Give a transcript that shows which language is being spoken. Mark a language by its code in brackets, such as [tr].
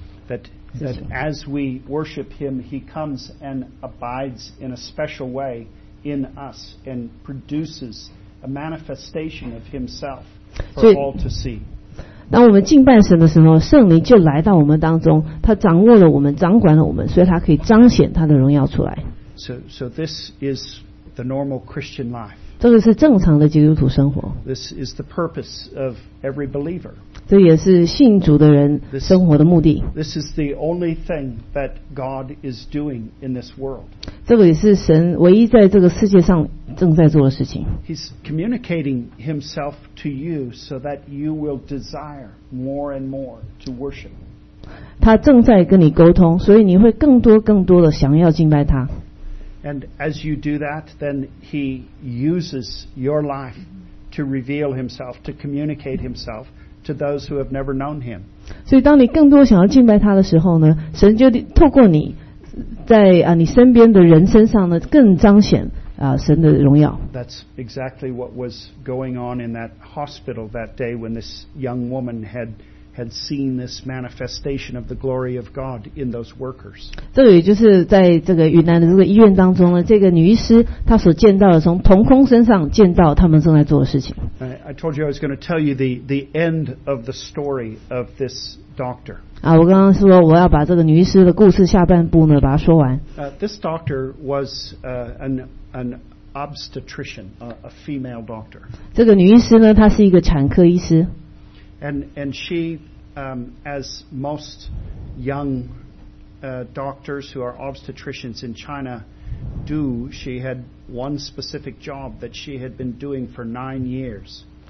[en] That as we worship Him, He comes and abides in a special way in us and produces a manifestation of Himself for all to see. [zh] 当我们敬拜神的时候，圣灵就来到我们当中，他掌握了我们，掌管了我们，所以他可以彰显他的荣耀出来。 [en] So this is the normal Christian life. [zh] 这个是正常的基督徒生活。 [en] This is the purpose of every believer. [zh] 这也是信主的人生活的目的。 [en] This is the only thing that God is doing in this world. [zh] 这个也是神唯一在这个世界上正在做的事情。 [en] He's communicating himself to you so that you will desire more and more to worship. [zh] 他正在跟你沟通，所以你会更多更多的想要敬拜他。 [en] And as you do that, then he uses your life to reveal himself, to communicate himself to those who have never known him. [zh] 所以当你更多想要敬拜他的时候呢，神就透过你在你身边的人身上呢，更彰显神的荣耀。 [en] That's exactly what was going on in that hospital that day when this young woman had had seen this manifestation of the glory of God in those workers. [zh] 这个云南的这个医院当中呢, 这个女医师, 她所见到的, 从同空身上见到他们正在做的事情。 [en] I told you I was going to tell you the end of the story of this doctor. [zh] 啊, 我刚刚说, 我要把这个女医师的故事下半部呢, 把它说完。 [en] This doctor was an obstetrician, a female doctor. [zh] 这个女医师呢, 她是一个产科医师。 [en] And she, as most young doctors who are obstetricians in China do, she had one specific job that she had been doing for 9 years.